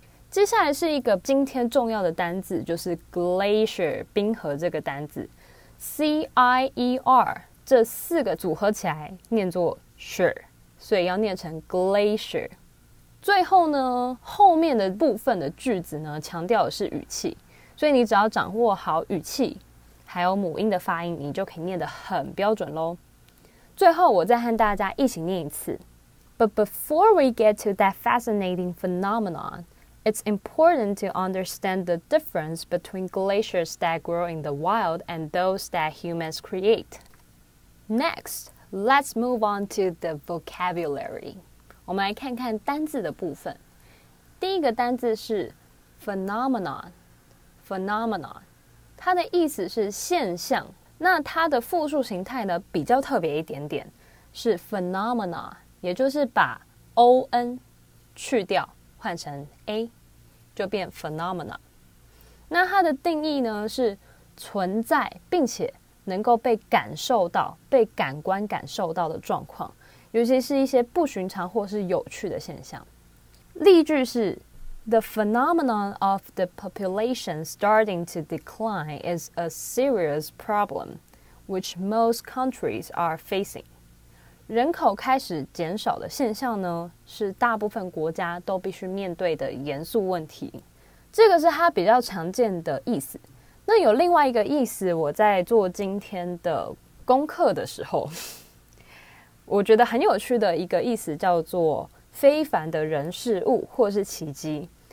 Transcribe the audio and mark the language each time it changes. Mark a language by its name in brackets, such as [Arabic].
[Chinese] 接下来是一个今天重要的单字，就是 glacier 冰河这个单字， C-I-E-R 这四个组合起来念作 sure， 所以要念成 glacier。最后呢，后面的部分的句子呢强调的是语气，所以你只要掌握好语气还有母音的发音，你就可以念得很标准咯。最后我再和大家一起念一次， [English] But before we get to that fascinating phenomenonIt's important to understand the difference between glaciers that grow in the wild and those that humans create. Next, let's move on to the vocabulary. [Chinese] 我们来看看单字的部分。第一个单字是 phenomenon， phenomenon， 它的意思是现象。那它的复数形态呢比较特别一点点，是 phenomena， 也就是把 on 去掉，换成 a。就变 phenomena。那它的定义呢是存在并且能够被感受到，被感官感受到的状况，尤其是一些不寻常或是有趣的现象。例句是 [English] The phenomenon of the population starting to decline is a serious problem which most countries are facing。 [Chinese] 人口开始减少的现象呢，是大部分国家都必须面对的严肃问题，这个是它比较常见的意思。那有另外一个意思，我在做今天的功课的时候，我觉得很有趣的一个意思叫做非凡的人事物或是奇迹。